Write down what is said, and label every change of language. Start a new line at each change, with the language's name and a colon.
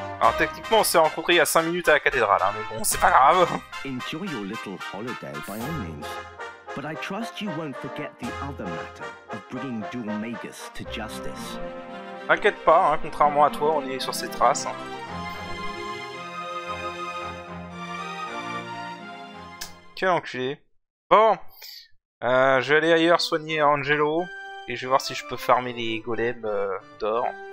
French: Alors techniquement, on s'est rencontré il y a 5 minutes à la cathédrale, hein, mais bon, c'est pas grave.
English: Enjoy your little holiday by all means. But I trust you won't forget the other matter of bringing Dulmagus to justice.
French: T'inquiète pas, hein, contrairement à toi, on est sur ses traces. Hein. Quel enculé. Bon, je vais aller ailleurs soigner Angelo et je vais voir si je peux farmer les golems d'or.